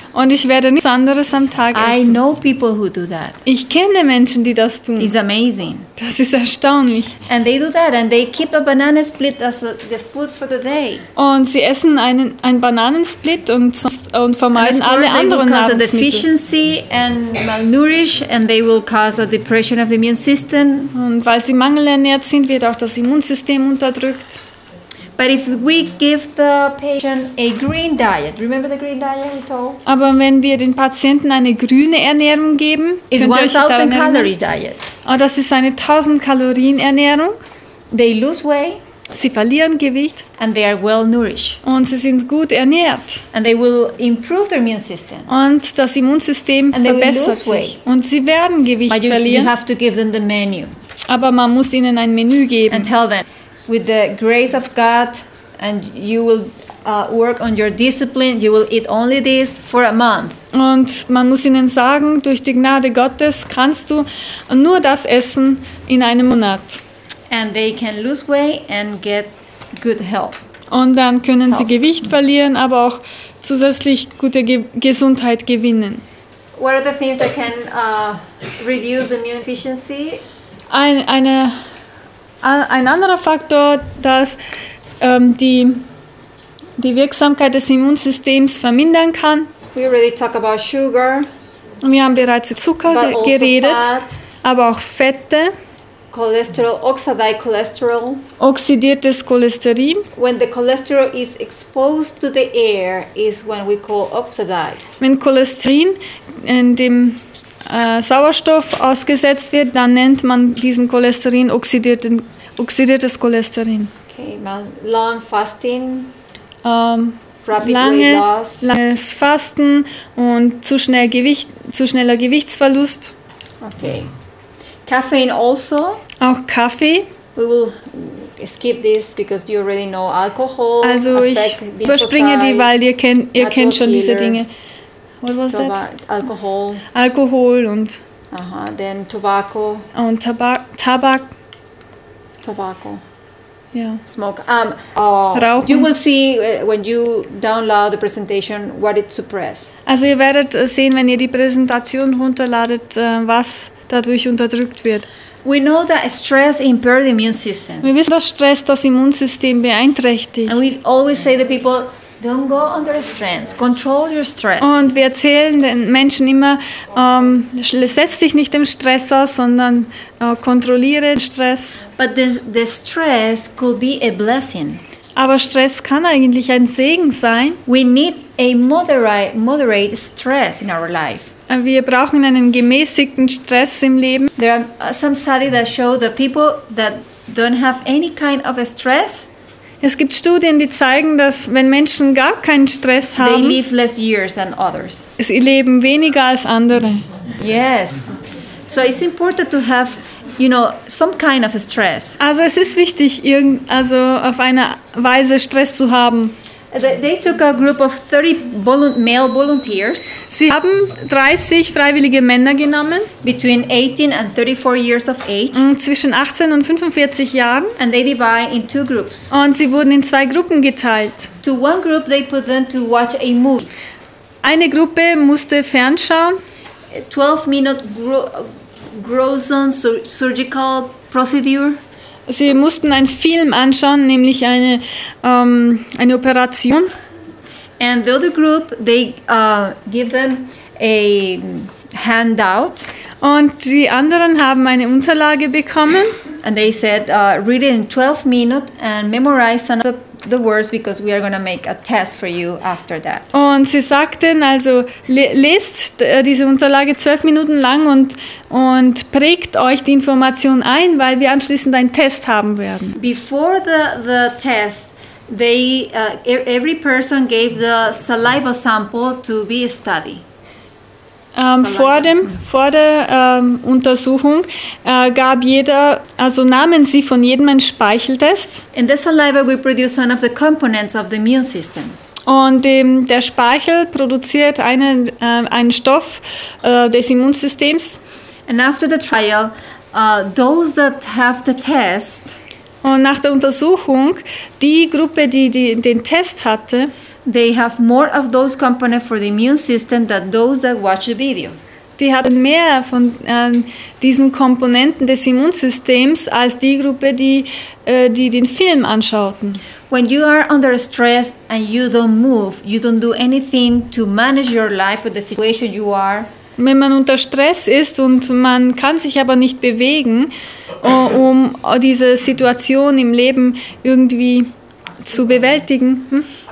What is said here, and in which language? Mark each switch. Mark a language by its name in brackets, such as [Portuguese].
[German] Und ich werde nichts anderes am Tag essen. [English] I know people who do that. [German] Ich kenne Menschen, die das tun. [English] It's amazing. [German] Das ist erstaunlich. [English] And they do that and they keep a banana split as the food for the day. [German] Und sie essen einen Bananensplit und vermeiden alle anderen Nahrungsmittel. [English] And of course, they will cause a deficiency and malnourish and they will cause a depression of the immune system. [German] Und weil sie mangelernährt sind, wird auch das Immunsystem unterdrückt. [English] But if we give the patient a green diet, remember the green diet we told? [German] Aber wenn wir den Patienten eine grüne Ernährung geben, [English] it's 1,000 calorie diet. [German] Oh, das ist eine 1,000 Kalorien Ernährung. [English] They lose weight. [German] Sie verlieren Gewicht. [English] And they are well nourished. [German] Und sie sind gut ernährt. [English] And they will improve their immune system. [German] Und das Immunsystem [English] and [German] verbessert sich. [English] Weight. [German] Und sie werden Gewicht verlieren. [English] But you have to give them the menu. Aber man muss ihnen ein Menü geben. And tell them. With the grace of God, and you will work on your discipline. You will eat only this for a month. [German] Und man muss ihnen sagen, durch die Gnade Gottes kannst du nur das essen in einem Monat. [English] And they can lose weight and get good health. [German] Und dann können health. Sie Gewicht verlieren, aber auch zusätzlich gute Gesundheit gewinnen. [English] What are the things that can reduce immune deficiency? [German] Ein anderer Faktor, dass die Wirksamkeit des Immunsystems vermindern kann. [English] We already talk about sugar, [German] wir haben bereits über Zucker geredet, [English] fat, [German] aber auch Fette, [English] Cholesterol, oxidized cholesterol. [German] Oxidiertes Cholesterin. [English] When the cholesterol is exposed to the air, is when we call oxidized. [German] Wenn Cholesterin in dem Sauerstoff ausgesetzt wird, dann nennt man diesen Cholesterin oxidiertes Cholesterin. [English] Okay, long fasting, [German] langes Fasten und zu schneller Gewichtsverlust. [English] Okay. Caffeine also. [German] Auch Kaffee. [English] We will skip this because you already know alcohol. [German] Also ich überspringe die, weil ihr kennt schon diese Dinge. [English] What was that? Alkohol. [German] Alkohol und... [English] Aha, then tobacco. [German] Und Tabak. [English] Tobacco. Yeah. Smoke. Rauchen. You will see when you download the presentation what it suppresses. [German] Also ihr werdet sehen, wenn ihr die Präsentation runterladet, was dadurch unterdrückt wird. [English] We know that stress impairs the immune system. [German] Wir wissen, dass Stress das Immunsystem beeinträchtigt. [English] And we always say to people, don't go under stress. Control your stress. [German] Und wir erzählen den Menschen immer, setz dich nicht dem Stress aus, sondern kontrolliere Stress. [English] But the stress could be a blessing. [German] Aber Stress kann eigentlich ein Segen sein. [English] We need a moderate stress in our life. [German] Wir brauchen einen gemäßigten Stress im Leben. [English] There are some studies that show that people that don't have any kind of a stress. [German] Es gibt Studien, die zeigen, dass wenn Menschen gar keinen Stress haben, [English] they live less years than others. [German] Sie leben weniger als andere. [English] Yes. So it's important to have, you know, some kind of a stress. [German] Also es ist wichtig, also auf eine Weise Stress zu haben. [English] They took a group of 30 male volunteers. [German] Sie haben 30 freiwillige Männer genommen. [English] Between 18 and 34 years of age. [German] Und zwischen 18 und 45 Jahren. [English] And they divide in two groups. [German] Und sie wurden in zwei Gruppen geteilt. [English] To one group they put them to watch a movie. [German] Eine Gruppe musste fernschauen. [English] 12-minute gruesome surgical procedure. [German] Sie mussten einen Film anschauen, nämlich eine Operation. [English] And the other group, they give them a handout. [German] Und die anderen haben eine Unterlage bekommen. [English] And they said, read it in 12 minutes and memorize some of the words because we are going to make a test for you after that. [German] Und sie sagten, also lest diese Unterlage 12 Minuten lang und prägt euch die Information ein, weil wir anschließend einen Test haben werden. [English] Before the test, every person gave the saliva sample to be studied. [German] Vor der Untersuchung gab jeder, also nahmen sie von jedem einen Speicheltest. [English] In the saliva we produce one of the components of the immune system. [German] Und der Speichel produziert einen Stoff des Immunsystems. [English] And after the trial, those that have the test. [German] Und nach der Untersuchung, die Gruppe, die den Test hatte. [English] They have more of those components for the immune system than those that watch the video. [German] Die hatten mehr von diesen Komponenten des Immunsystems als die Gruppe, die den Film anschauten. [English] When you are under stress and you don't move, you don't do anything to manage your life or the situation you are. [German] Wenn man unter Stress ist und man kann sich aber nicht bewegen, um diese Situation im Leben irgendwie zu bewältigen.